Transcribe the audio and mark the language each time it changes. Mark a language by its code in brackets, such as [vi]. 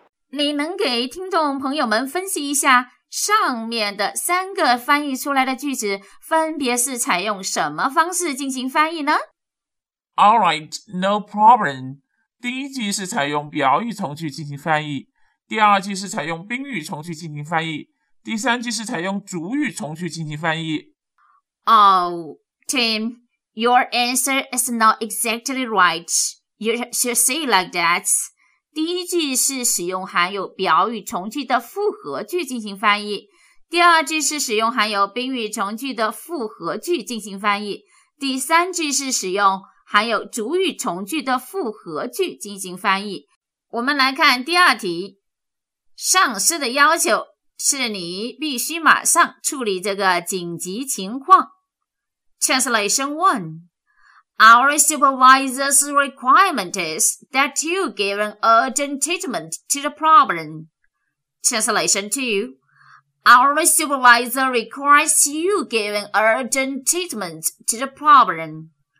[zh] 你能给听众朋友们分析一下上面的三个翻译出来的句子分别是采用什么方式进行翻译呢？ [en] All right, no problem. [zh] 第一句是采用表语从句进行翻译，第二句是采用宾语从句进行翻译，第三句是采用主语从句进行翻译。 [en] Oh, Tim, your answer is not exactly right. You should say like that. [zh] 第一句是使用含有表语从句的复合句进行翻译，第二句是使用含有宾语从句的复合句进行翻译，第三句是使用含有主语从句的复合句进行翻译。我们来看第二题。上司的要求是你必须马上处理这个紧急情况。 [en] Translation 1. Our supervisor's requirement is that you give an urgent treatment to the problem. Translation 2. Our supervisor requires you give an urgent treatment to the problem.